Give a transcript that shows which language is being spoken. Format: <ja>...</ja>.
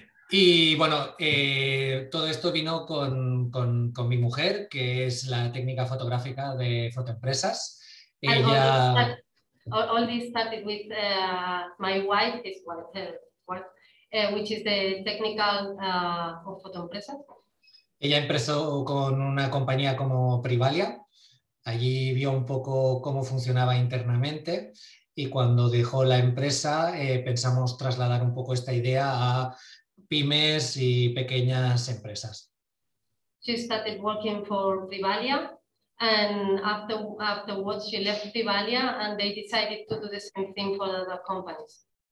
<es>Y bueno, todo esto vino con mi mujer, que es la técnica fotográfica de Fotoempresas. Ella...</es> <en>All this started with my wife, is which is the technical of Fotoempresas.</en> <es>Ella empezó con una compañía como Privalia. Allí vio un poco cómo funcionaba internamente y cuando dejó la empresa pensamos trasladar un poco esta idea a pymes y pequeñas empresas.</es> <en>She started working for Privalia and afterwards she left Privalia and they decided to do the same thing for other companies.</en>